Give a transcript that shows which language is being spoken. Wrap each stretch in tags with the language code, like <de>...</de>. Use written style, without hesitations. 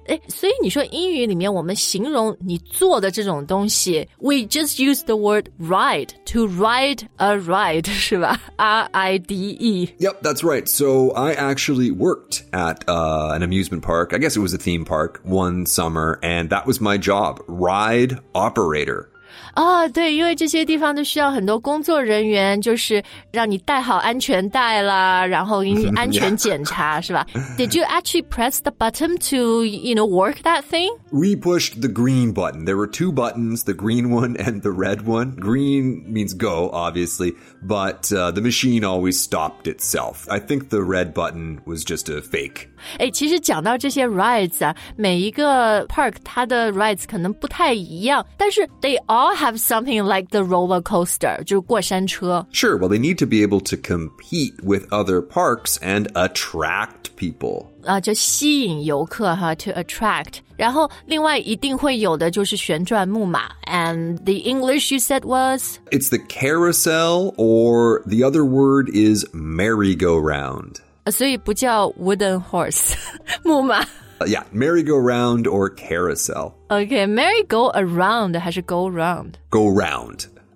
<zh>哎，所以你说英语里面我们形容你坐的这种东西 ，</zh> <en>we just use the word ride to ride a ride，</en> <zh>是吧？</zh> <en>R-I-D-E. Yep, that's right. So I actually worked at、an amusement park. I guess it was a theme park one summer, and that was my job, ride operator.</en> <zh>对因为这些地方都需要很多工作人员就是让你带好安全带啦然后给你安全检查</zh> <en>S 1></en> <zh>是吧</zh> <en>Did you actually press the button to, you know, work that thing? We pushed the green button. There were two buttons, the green one and the red one. Green means go, obviously, but、the machine always stopped itself. I think the red button was just a fake.</en> <zh>哎其实讲到这些 rides 啊每一个 park 它的 rides 可能不太一样但是</zh> <en>they areall have something like the roller coaster,</en> <zh>就是过山车。</zh> <en>Sure, well, they need to be able to compete with other parks and attract people.</en> <zh>就吸引游客哈</zh> <en>to attract.</en> <zh>然后另外一定会有的就是旋转木马。</zh> <en>And the English you said was? It's the carousel, or the other word is merry-go-round.</en> <zh>所以不叫 wooden horse, 木马。</zh> <en>Yeah, merry-go-round or carousel. Okay, merry-go-around</en> <zh>还是</zh> <en>go-round? Go-round.</en>